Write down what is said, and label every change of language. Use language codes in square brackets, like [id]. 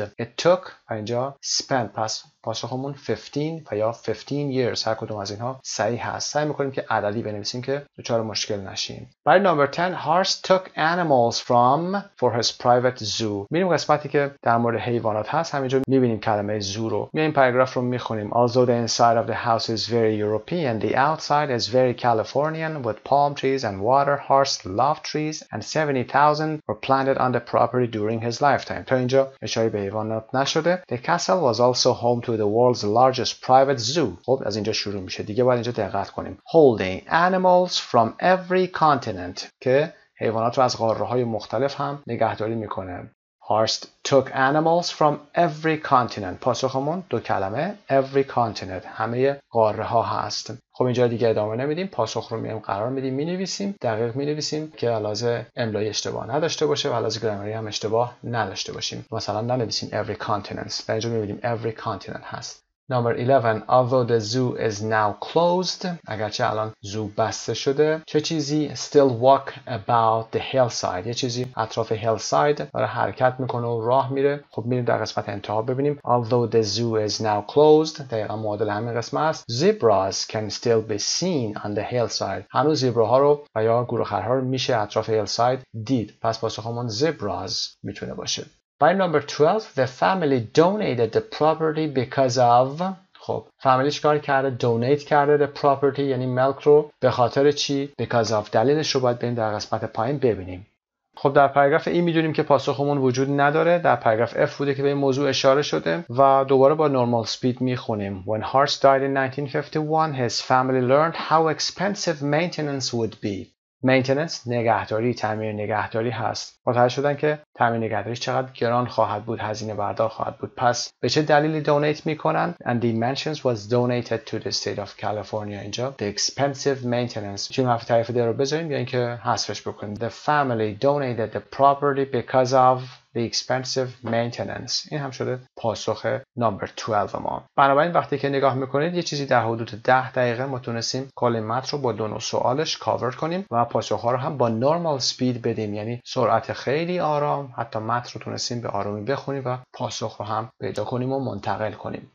[en] it took [fa] اینجا spent پس پاسخمون 15 و یا 15 years هر کدوم از اینها صحیح هست. سعی میکنیم که عددی بنویسیم که دچار مشکل نشیم. برای نمبر 10 [en] Horst took animals from for his private zoo. [fa] میریم قسمتی که در مورد حیوانات هست، همینجا میبینیم کلمه زو رو. میایم پاراگراف رو میخونیم. [en] Although the inside of the house is very European, the outside is very Californian with palm trees and water. Horst loved trees and 70,000 were planted on the property during his lifetime. [fa] تا اینجا اشاره به حیوانات نشده. [en] The castle was also home to the world's largest private zoo. [fa] خب از اینجا شروع میشه. دیگه باید اینجا دقت کنیم. [en] Holding animals from every continent [fa] که حیوانات رو از قاره‌های مختلف هم نگهداری میکنه. [en] Horst took animals from every continent. [fa] پاسخمون دو کلمه every continent همه قاره‌ها هست. خب اینجا دیگه ادامه نمیدیم. پاسخ رو میایم قرار میدیم، مینویسیم، دقیق مینویسیم که علاوه املایی اشتباه نداشته باشه و علاوه گرامری هم اشتباه نداشته باشیم. مثلا ننویسیم every continent. در اینجا میبینیم every continent هست. [en] Number 11. Although the zoo is now closed. [fa] اگرچه الان زو بسته شده. چه چیزی [en] still walk about the hillside. [fa] یه چیزی اطراف hillside داره حرکت میکنه و راه میره. خب میریم در قسمت انتها ببینیم. [en] Although the zoo is now closed. [fa] دقیقا معادل همین قسمت است. [en] Zebras can still be seen on the hillside. [fa] هنوز زیبراها رو و یا گورخرها رو میشه اطراف hillside دید. پس پاسخمون zebras میتونه باشه. [en] By number 12, the family donated the property because of... [fa] خب فامیلیش کار کرده، دونیت کرده [en] the property [fa] یعنی ملک رو. به خاطر چی؟ [en] Because of. [fa] دلیلش رو باید بریم در قسمت پایین ببینیم. خب در پاراگراف ای میدونیم که پاسخمون وجود نداره. در پاراگراف اف بوده که به این موضوع اشاره شده و دوباره با نورمال سپید میخونیم. [en] When Horst died in 1951, his family learned how expensive maintenance would be. [fa] مینتیننس نگهداری، تعمیر نگهداری هست. متوجه شدن که تعمیر نگهداری چقدر گران خواهد بود، هزینه بردار خواهد بود. پس به چه دلیلی دونیت میکنن؟ [en] And the mansions was donated to the state of California. [fa] اینجا [en] the expensive maintenance. [fa] چون حرف تعریف ده رو بذاریم یا اینکه حذفش بکنیم. [en] The family donated the property because of the expensive maintenance. [fa] این هم شده پاسخ نمبر 12 ما. بنابراین وقتی که نگاه میکنید یه چیزی در حدود 10 دقیقه ما تونستیم کل متن رو با دو نوع سوالش کاور کنیم و پاسخ ها رو هم با نورمال سپید بدیم، یعنی سرعت خیلی آرام، حتی متن رو تونستیم به آرامی بخونیم و پاسخ رو هم پیدا کنیم و منتقل کنیم.